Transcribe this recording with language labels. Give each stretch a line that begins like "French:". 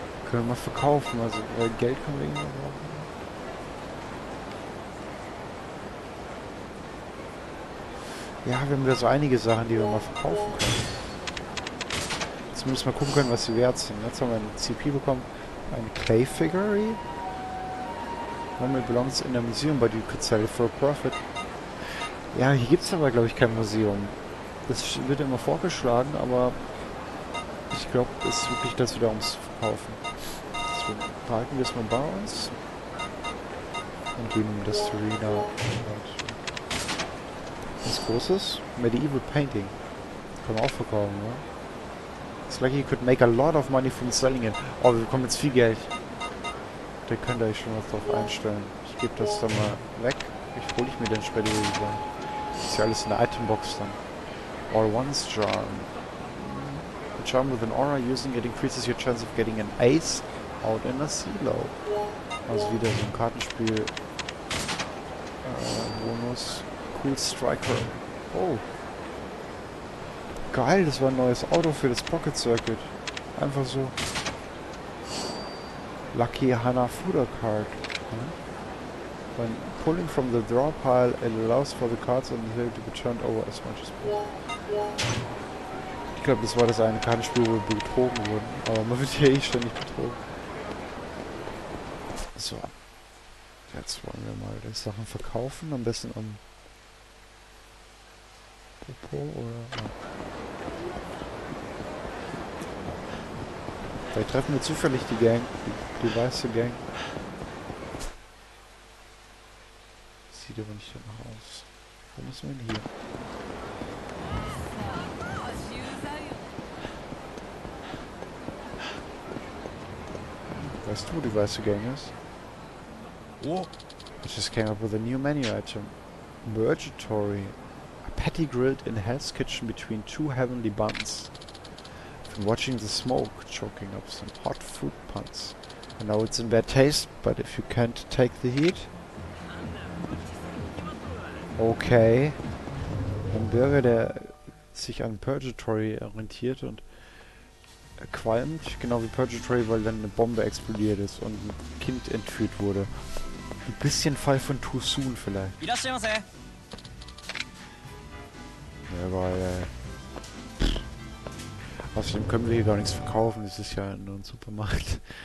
German: Können wir mal verkaufen, also Geld können wir irgendwo brauchen. Ja, wir haben wieder so einige Sachen, die wir mal verkaufen können. Jetzt müssen wir gucken können, was sie wert sind. Jetzt haben wir eine CP bekommen. Eine Clay Figure.
English: Normally belongs in a museum, but you could sell it for a profit.
German: Ja, hier gibt es aber, glaube ich, kein Museum. Das wird immer vorgeschlagen, aber ich glaube, es ist wirklich das wieder ums Verkaufen. Deswegen behalten wir es mal bei uns. Und geben das zu Rina. Was Großes? Medieval Painting. Kann man auch verkaufen, oder?
English: It's like you could make a lot of money from selling it.
German: Oh, wir bekommen jetzt viel Geld. Da könnt ihr euch schon was drauf einstellen. Ich gebe das dann mal weg. Ich hole ich mir den später wieder. Ist ja alles in der Itembox dann.
English: All Ones Charm. A charm with an aura using it increases your chance of getting an ace out in a silo.
German: Also wieder so ein Kartenspiel. Bonus. Cool Striker. Oh. Geil, das war ein neues Auto für das Pocket Circuit. Einfach so. Lucky Hanafuda Card. Hm?
English: When pulling from the draw pile, it allows for the cards on the table to be turned over as much as possible.
German: Ich glaube, das war das eine Kartenspiel, wo wir betrogen wurden. Aber man wird hier eh ständig betrogen. So. Jetzt wollen wir mal die Sachen verkaufen. Am besten am Popo oder. Vielleicht treffen wir zufällig die Gang. Die weiße Gang. Sieht aber nicht danach aus. Wo müssen wir denn hier? Weißt du, wo die weiße Gang ist? Whoa.
English: I just came up with a new menu item. Burgatory. A patty grilled in Hell's Kitchen between two heavenly buns. I've been watching the smoke choking up some hot food puns. I know it's in bad taste, but if you can't take the heat... Okay.
German: Ein Bürger, der sich an Purgatory orientiert und qualmt, genau wie Purgatory, weil dann eine Bombe explodiert ist und ein Kind entführt wurde. Ein bisschen Fall von Too Soon vielleicht. Ja, aber, außerdem können wir hier gar nichts verkaufen, das ist ja nur ein Supermarkt.